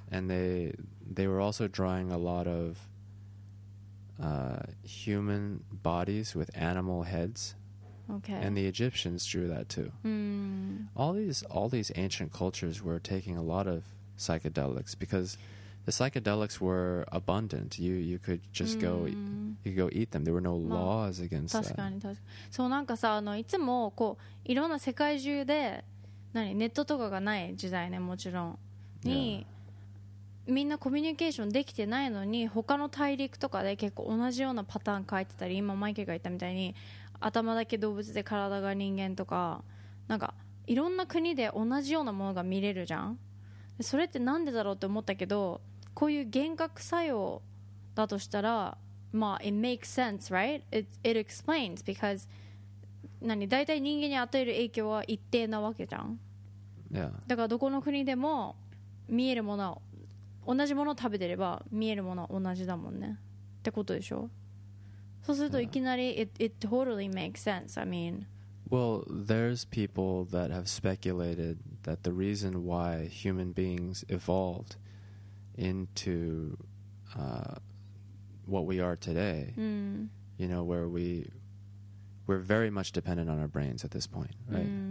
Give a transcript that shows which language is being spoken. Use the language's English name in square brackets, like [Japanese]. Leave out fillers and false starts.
[English] And they were also drawing a lot ofhuman bodies with animal heads. Okay. And the Egyptians drew that too. Mm. All these ancient cultures were taking a lot of psychedelics because the psychedelics were abundant. You could just、mm. go eat them. There were no laws against that. [Japanese] 確かに確かに。そうなんかさ、あのいつもこういろんな世界中で何ネットとかがない時代ね、もちろんに、 [English] yeah. [Japanese] みんなコミュニケーションできてないのに他の大陸とかで結構同じようなパターン書いてたり、今マイケルが言ったみたいに頭だけ動物で体が人間とか、なんかいろんな国で同じようなものが見れるじゃん。それってなんでだろうって思ったけど、こういう幻覚作用だとしたら、まあ [English] it makes sense right? [Japanese] It explains because 何大体人間に与える影響は一定なわけじゃん、 [English] yeah. [Japanese] だからどこの国でも見えるものは同じものを食べてれば見えるものは同じだもんねってことでしょ。そうするといきなり、 [English] yeah. it totally makes sense. I mean, well, there's people that have speculated that the reason why human beings evolved into what we are today, you know, where we're very much dependent on our brains at this point, right?